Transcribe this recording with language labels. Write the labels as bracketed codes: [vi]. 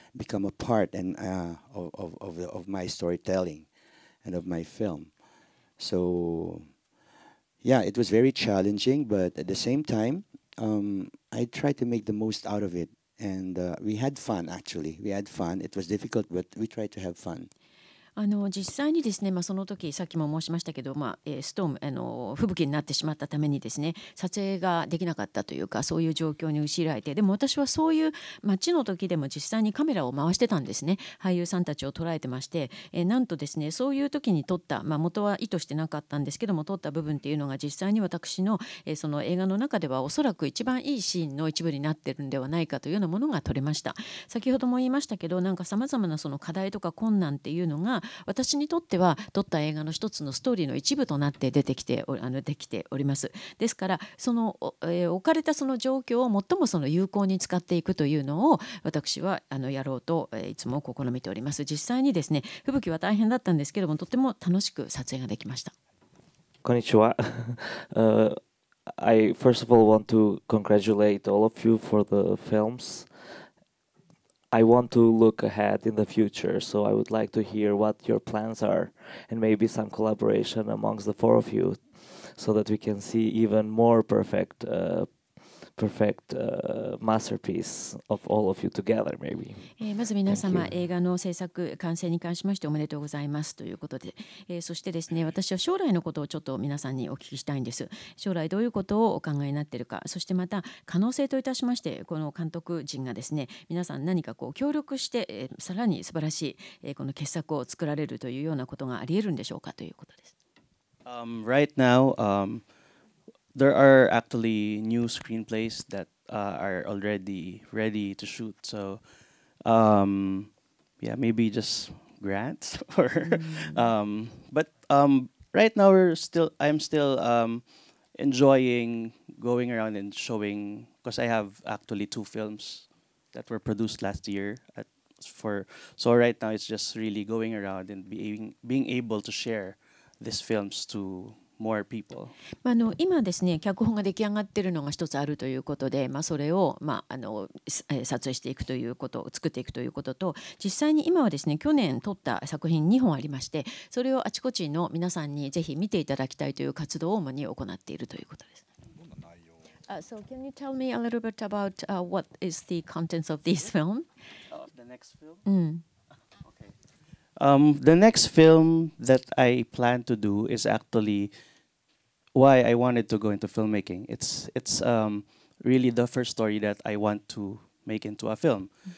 [en] Become a part and of my storytelling and of my film. So, yeah, it was very challenging, but at the same time, I tried to make the most out of it. And we had fun, actually. We had fun. It was difficult, but we tried to have fun. [ja] あの実際にですね、まあ、その時さっきも申しましたけど、まあ、ストーム吹雪になってしまったためにですね、撮影ができなかったというか、そういう状況に陥られて、でも私はそういう街の時でも実際にカメラを回してたんですね、俳優さんたちを捉えてまして、なんとですね、そういう時に撮った、まあ、元は意図してなかったんですけども、撮った部分っていうのが実際に私の、その映画の中ではおそらく一番いいシーンの一部になってるんではないかというようなものが撮れました。先ほども言いましたけど、なんかさまざまなその課題とか困難っていうのが私にとっては撮った映画の一つのストーリーの一部となって出てきて、できております。ですから、その、置かれたその状況を最もその有効に使っていくというのを私はやろうと、いつも試みております。実際にですね、吹雪は大変だったんですけども、とても楽しく撮影ができました。こんにちは。 [en] I first of all want to congratulate all of you for the filmsI want to look ahead in the future, so I would like to hear what your plans are and maybe some collaboration amongst the four of you so that we can see even more perfect, perfect masterpiece of all of you together, maybe. [ja] まず皆様、映画の制作完成に関しましておめでとうございますということで、そしてですね、私は将来のことをちょっと皆さんにお聞きしたいんです。将来どういうことをお考えになっているか、そしてまた可能性といたしまして、この監督陣がですね、皆さん何かこう協力して、さらに素晴らしい、この傑作を作られるというようなことがあり得るんでしょうかということです。 [en] Right now, There are actually new screenplays that are already ready to shoot. So, yeah, maybe just grants or, right now I'm still enjoying going around and showing, because I have actually two films that were produced last year. So right now it's just really going around and being able to share these films to. More people. [ja] まあ、今ですね、脚本が出来上がっているのが一つあるということで、まあ、それを、まあ、撮影していくということ、作っていくということと、実際に今はですね、去年撮った作品2本ありまして、それをあちこちの皆さんにぜひ見ていただきたいという活動を主に行っているということです。どんな内容？ [en] So can you tell me a little bit about what is the contents of this film? Of the next film?、 Mm. The next film that I plan to do is actually why I wanted to go into filmmaking. It's really the first story that I want to make into a film.